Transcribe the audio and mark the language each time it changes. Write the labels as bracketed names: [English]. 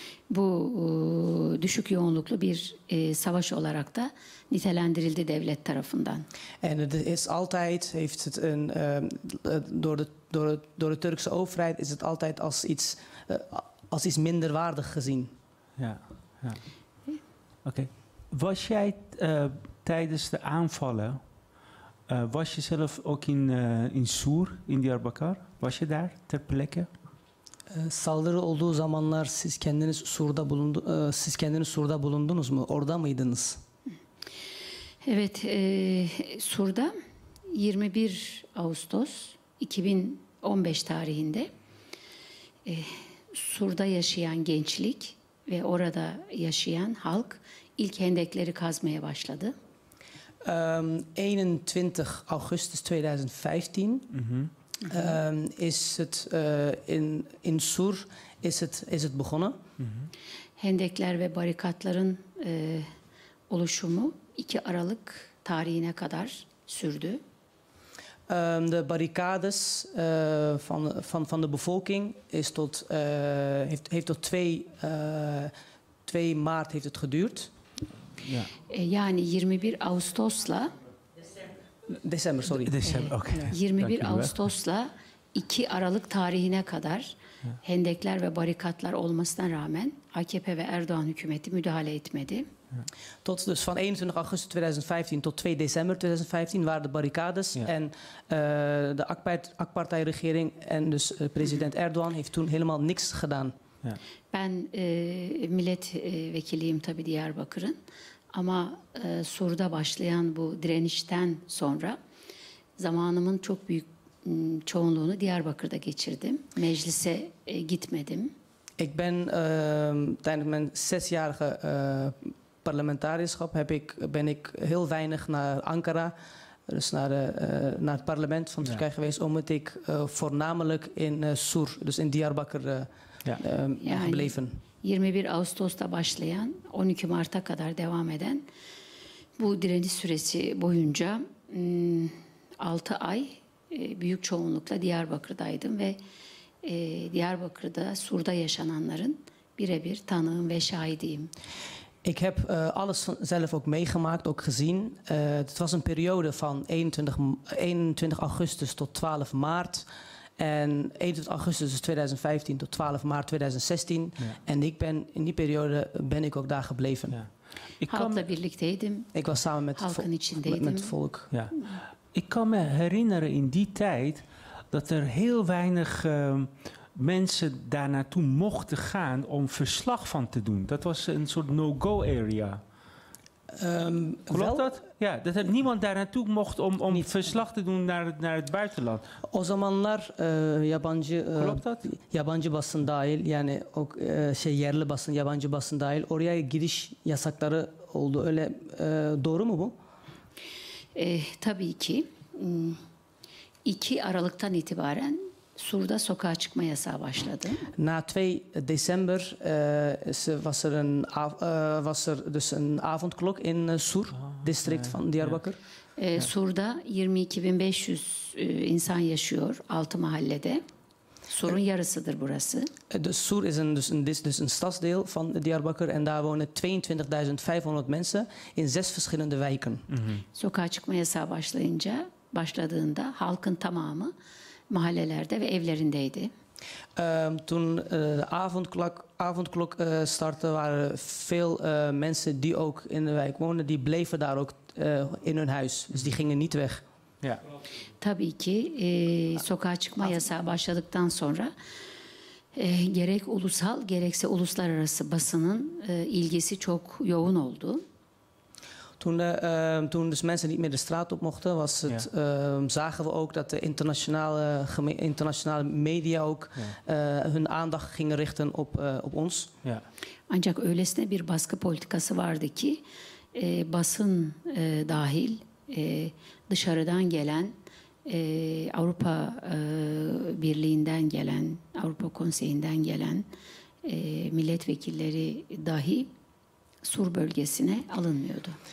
[Turkish] Bu düşük yoğunluklu bir savaş olarak da nitelendirildi devlet tarafından. [Dutch] En het is altijd heeft het een door de Turkse overheid is het altijd als iets minder waardig gezien. Ja. Ja. Oké. Okay. Was jij tijdens de aanvallen was je zelf ook in Sur in Diyarbakır? Was je daar ter plekke? [Turkish] Saldırı olduğu zamanlar siz kendiniz Sur'da bulundunuz mu? Orada mıydınız? Evet, Sur'da 21 Ağustos 2015 tarihinde Sur'da yaşayan gençlik ve orada yaşayan halk ilk hendekleri kazmaya başladı. [Dutch] 21 Augustus 2015 is het in Sur is het begonnen. [Turkish] Hendekler ve barikatların oluşumu 2 Aralık tarihine kadar sürdü. [Dutch] De barricades van de bevolking is tot heeft tot 2 maart heeft het geduurd. [Turkish] Ja. Yani 21 Ağustos'la [Dutch] December, sorry. December, okay. [Turkish] 21 Ağustos'la 2 Aralık tarihine kadar hendekler ve barikatlar olmasına rağmen AKP ve Erdoğan hükümeti müdahale etmedi. [Dutch] Tot dus van 21 augustus 2015 tot 2 december 2015 waren de barricades en de AK-partij regering en dus president Erdoğan heeft toen helemaal niks gedaan. [Turkish] Ja. Ben milletvekiliyim tabii Diyarbakır'ın. Ama Sur'da başlayan bu direnişten sonra zamanımın çok büyük çoğunluğunu Diyarbakır'da geçirdim. Meclise gitmedim. [Dutch] Ik ben tijdens mijn 6-jarige parlementariërschap ben ik heel weinig naar Ankara, dus naar het parlement van Turkije geweest, omdat ik voornamelijk in Sur, dus in Diyarbakır gebleven. [Turkish] 21 Ağustos'ta başlayan 12 Mart'a kadar devam eden bu direniş süresi boyunca 6 ay büyük çoğunlukla Diyarbakır'daydım ve Diyarbakır'da Sur'da yaşananların birebir tanığım ve şahidiyim. [Dutch] Ik heb alles zelf ook meegemaakt, ook gezien. Het was een periode van 21 augustus tot 12 maart. En 21 augustus 2015 tot 12 maart 2016. Ja. En ik ben in die periode ben ik ook daar gebleven. Ja. Ik was samen met het volk. Ja. Ik kan me herinneren in die tijd dat er heel weinig mensen daar naartoe mochten gaan om verslag van te doen. Dat was een soort no-go area. Klopt dat? Ja, dat er niemand daar naartoe mocht om verslag te doen naar het buitenland. [Turkish] O zamanlar yabancı yabancı basın dahil yani ok, şey yerli basın yabancı basın dahil oraya giriş yasakları oldu. Öyle doğru mu bu? Tabii ki. 2 Aralık'tan itibaren Sur'da sokağa çıkma yasağı başladı. [Dutch] Na 2 december was er een avondklok in Sur district van Diyarbakır. [Turkish] Sur'da 22.500 insan yaşıyor 6 mahallede. Sur'un yarısıdır burası. [Dutch] Sur is een stadsdeel van Diyarbakır en daar wonen 22.500 mensen in 6 verschillende wijken. [Turkish] Sokağa çıkma yasağı başladığında halkın tamamı mahallelerde ve evlerindeydi. [Dutch] Toen de avondklok startte, waren veel mensen die ook in de wijk woonden, die bleven daar ook in hun huis. Dus die gingen niet weg. Ja. [Turkish] Tabii ki sokağa çıkma yasağı başladıktan sonra gerek ulusal gerekse uluslararası basının ilgisi çok yoğun oldu. [Dutch] Toen dus mensen niet meer de straat op mochten, zagen we ook dat de internationale media ook hun aandacht gingen richten op ons. Ja. [Turkish] Ancak öylesine bir baskı politikası vardı ki basın dahil dışarıdan gelen Avrupa Birliği'nden gelen, Avrupa Konseyi'nden gelen milletvekilleri dahi Sur bölgesine alınmıyordu.